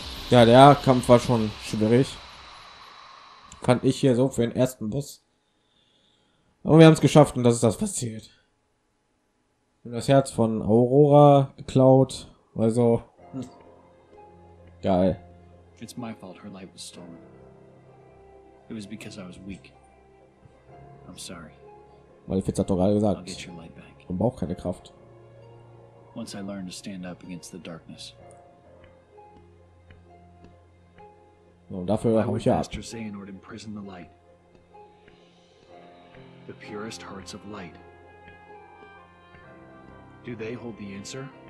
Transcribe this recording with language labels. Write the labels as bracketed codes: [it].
[de] Ja, der Kampf war schon schwierig. Fand ich hier so für den ersten Boss. Aber wir haben es geschafft und das ist das passiert. Das Herz von Aurora geklaut. Also. Geil. [en] It's my fault her life was stolen. It was because I was weak. I'm sorry. [de] Weil Fitz hat doch gerade gesagt, man braucht keine Kraft. [en] Once I learn to stand up against the darkness. [de] So, und dafür habe ich ja. [en] Master Xehanort imprison the light. The purest hearts of light. Do they hold the answer?